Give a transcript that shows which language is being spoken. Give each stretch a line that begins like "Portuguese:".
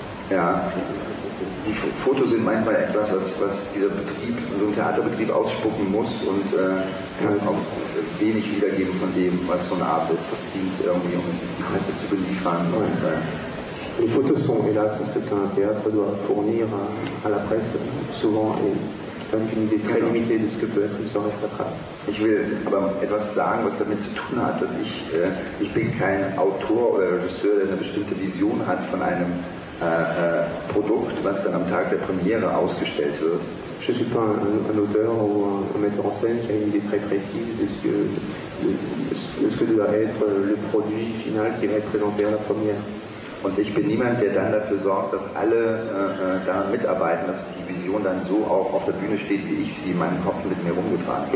German: Ja. die Fotos sind manchmal etwas, was dieser Betrieb, so ein Theaterbetrieb ausspucken muss und kann auch wenig wiedergeben von dem, was so eine Art ist. Das dient irgendwie, um die Presse zu beliefern. Und,
French: les photos sont hélas ce qu'un théâtre doit fournir à la presse, souvent, et donc une idée très limitée de ce que peut être une soirée théâtrale.
German: Ich will aber etwas sagen, was damit zu tun hat, dass ich, ich bin kein Autor oder Regisseur, der eine bestimmte Vision hat von einem Produkt, was dann am Tag der Premiere ausgestellt wird.
French: Je ne suis pas un auteur ou un metteur en scène qui a une idée très précise de ce que, de ce que doit être le produit final qui va être présenté à la première.
German: Und ich bin niemand, der dann dafür sorgt, dass alle daran mitarbeiten, dass die Vision dann so auch auf der Bühne steht, wie ich sie in meinem Kopf mit mir rumgetragen habe.